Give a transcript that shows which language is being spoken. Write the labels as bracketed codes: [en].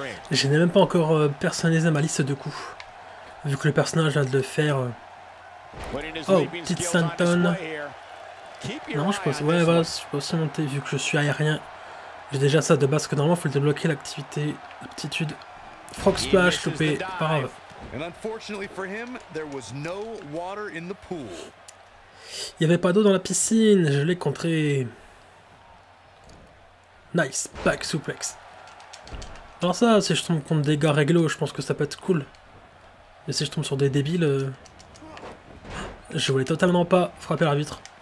[fr] Je n'ai même pas encore personnalisé ma liste de coups. Vu que le personnage vient de le faire. Oh, petite Santon. Non, je pense. Ouais, voilà, je peux aussi monter vu que je suis aérien. J'ai déjà ça de base, que normalement, il faut débloquer l'activité, l'aptitude. Frog Splash, loupé, pas grave. [en] And unfortunately for him, there was no water in the pool. [fr] Il n'y avait pas d'eau dans la piscine, je l'ai contré. Nice, back suplex. Alors ça, si je tombe contre des gars réglo, je pense que ça peut être cool. Mais si je tombe sur des débiles... Je voulais totalement pas frapper l'arbitre.